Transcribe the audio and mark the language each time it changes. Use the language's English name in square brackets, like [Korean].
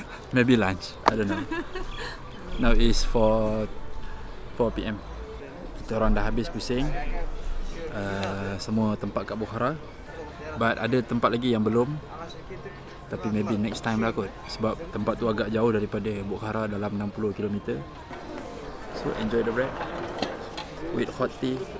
[English] Maybe lunch, I don't know. Now is 4 p.m. [Malay] Kita orang dah habis pusing semua tempat kat Bukhara, but ada tempat lagi yang belum. Tapi maybe next time lah kot. Sebab tempat tu agak jauh daripada Bukhara, dalam 60 km. [English] So enjoy the bread with hot tea.